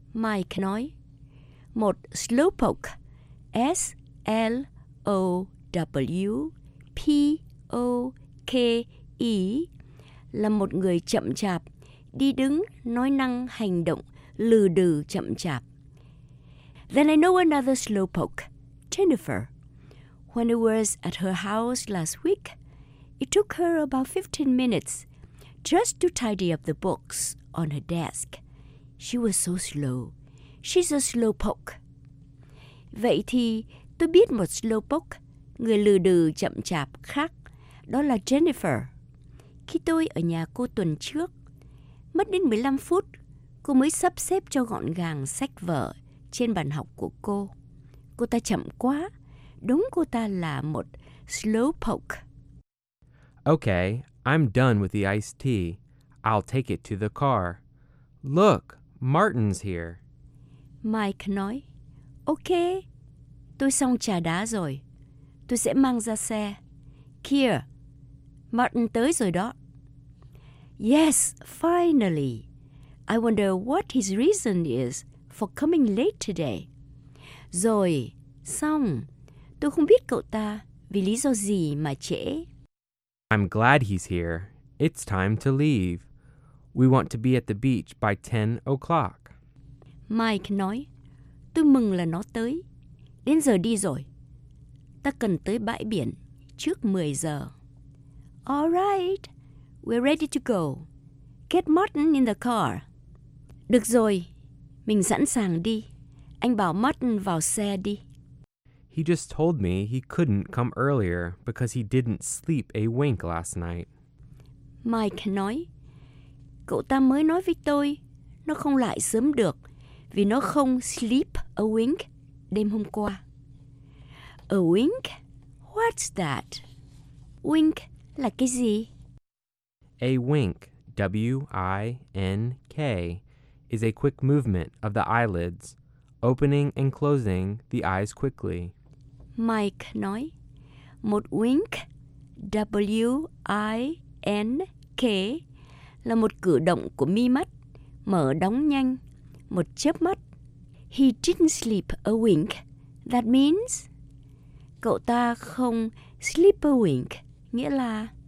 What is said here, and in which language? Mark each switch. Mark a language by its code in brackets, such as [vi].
[vi] Mike nói, một Slowpoke, Slowpoke, là một người chậm chạp, đi đứng, nói năng, hành động, lừ đừ chậm chạp. [en] Then I know another Slowpoke, Jennifer. When I was at her house last week, it took her about 15 minutes just to tidy up the books on her desk. She was so slow. She's a Slowpoke. [vi] Vậy thì tôi biết một Slowpoke, người lừ đừ chậm chạp khác, đó là Jennifer. Khi tôi ở nhà cô tuần trước, mất đến 15 phút, cô mới sắp xếp cho gọn gàng sách vở trên bàn học của cô. Cô ta chậm quá. Đúng, cô ta là một Slowpoke. [en] Okay, I'm done with the iced tea. I'll take it to the car. Look, Martin's here. [vi] Mike nói, okay, tôi xong trà đá rồi. Tôi sẽ mang ra xe. Kia, Martin tới rồi đó. [en] Yes, finally. I wonder what his reason is for coming late today. [vi] Rồi, xong. Tôi không biết cậu ta vì lý do gì mà trễ. [en] I'm glad he's here. It's time to leave. We want to be at the beach by 10 o'clock. [vi] Mike nói, tôi mừng là nó tới. Đến giờ đi rồi. Ta cần tới bãi biển trước 10 giờ. [en] All right, we're ready to go. Get Martin in the car. [vi] Được rồi, mình sẵn sàng đi. Anh bảo Martin vào xe đi. [en] He just told me he couldn't come earlier because he didn't sleep a wink last night. [vi] Mike nói, cậu ta mới nói với tôi, nó không lại sớm được vì nó không [en] sleep a wink [vi] đêm hôm qua. [en] A wink? What's that? [vi] Wink là cái gì? [en] A wink, W-I-N-K, is a quick movement of the eyelids, opening and closing the eyes quickly. [vi] Mike nói, một wink, W-I-N-K, là một cử động của mi mắt, mở đóng nhanh, một chớp mắt. [en] He didn't sleep a wink. That means, [vi] cậu ta không [en] sleep a wink, [vi] nghĩa là